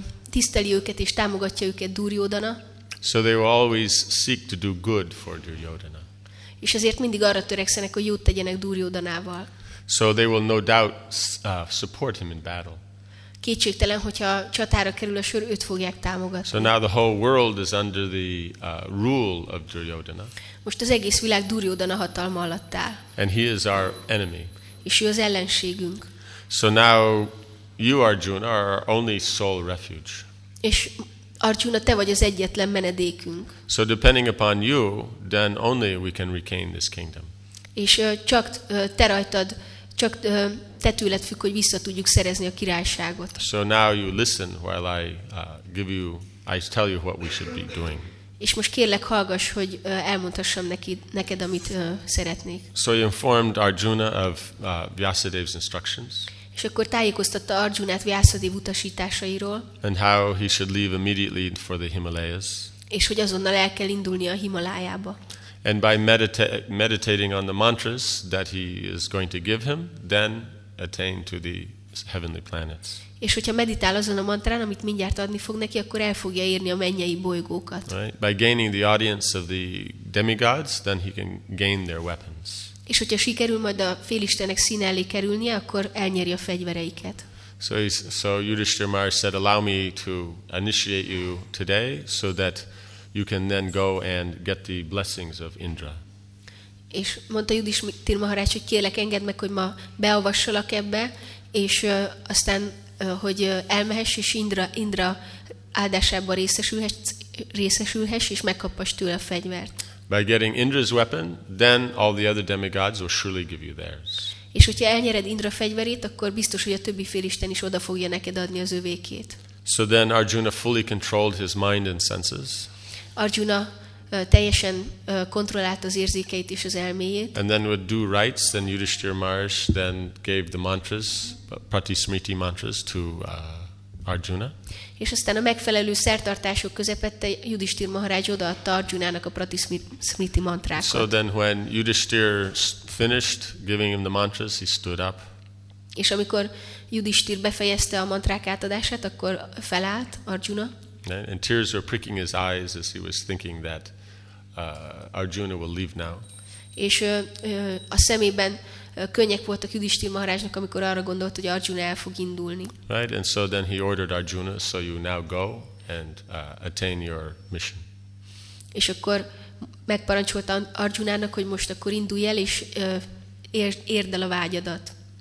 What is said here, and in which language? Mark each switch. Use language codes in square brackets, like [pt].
[hu] Tiszteli őket és támogatja őket Duryodhana. [en] So they will always seek to do good for Duryodhana. [hu] És ezért mindig arra törekszenek, hogy jót tegyenek Duryodhanával. [en] So they will no doubt support him in battle. [hu] Kétségtelen, hogyha csatára kerül a sor, őt fogják támogatni. [en] So now the whole world is under the rule of Duryodhana. [hu] Most az egész világ Duryodhana hatalma alatt áll. [en] And he is our enemy. [hu] És ő az ellenségünk. [en] So now you, Arjuna, are our only sole refuge. [hu] És Arjuna, te vagy az egyetlen menedékünk. [en] So depending upon you, then only we can regain this kingdom. [hu] És csak te rajtad, csak te tőled függ, hogy vissza tudjuk szerezni a királyságot. [en] So now you listen while I tell you what we should be doing. [hu] És most kérlek, hallgass, hogy elmondhassam neked, amit szeretnék. [en] So he informed Arjuna of Vyasadeva's instructions. [hu] És akkor tájékoztatta Arjunát Vyasadev utasításairól. [en] And how he should leave immediately for the Himalayas. [hu] És hogy azonnal el kell indulnia a Himalájába. [en] And by meditating on the mantras that he is going to give him, then attain to the heavenly planets. [hu] És hogyha meditál azon a mantrán, amit mindjárt adni fog neki, akkor el fogja érni a mennyei bolygókat. [en] Right? By gaining the audience of the demigods, then he can gain their weapons. [hu] És hogyha sikerül majd a félistenek színe elé kerülnie, akkor elnyeri a fegyvereiket. [en] So Yudhishthir Maharaj said, allow me to initiate you today so that you can then go and get the blessings of Indra. [hu] És mondta Yudhishthir Maharaj, hogy kérlek, engedd meg, hogy ma beavassalak ebbe, és aztán, hogy elmehess, és Indra áldásába részesülhess, és megkapass tőle a fegyvert. [en] By getting Indra's weapon, then all the other demigods will surely give you theirs. [hu] És hogyha elnyered Indra fegyverét, akkor biztos, hogy a többi félisten is oda fogja neked adni az övékét. [en] So then Arjuna fully controlled his mind and senses. [hu] Arjuna teljesen kontrollált az érzékeit és az elméjét. [en] And then with due rites, then Yudhishthir Maharaj then gave the mantras, Pratismriti mantras to Arjuna. [hu] És aztán a megfelelő szertartások közepette Yudhishthir Maharaj odaadta Arjunának a Pratismriti mantrákat. [en] So then when Yudhishthir finished giving him the mantras, he stood up. [hu] És amikor Yudhishthir befejezte a mantrák átadását, akkor felállt Arjuna. [en] And tears were pricking his eyes as he was thinking that Arjuna will leave now. [hu] És a szemében könnyek voltak Yudhishthir Maharajnak, amikor arra gondolt, hogy Arjuna el fog indulni. [en] Right, and so then he ordered Arjuna, so you now go and attain your mission. [hu] És akkor megparancsolta Arjunának, hogy most akkor indulj el, és érd el a vágyadat.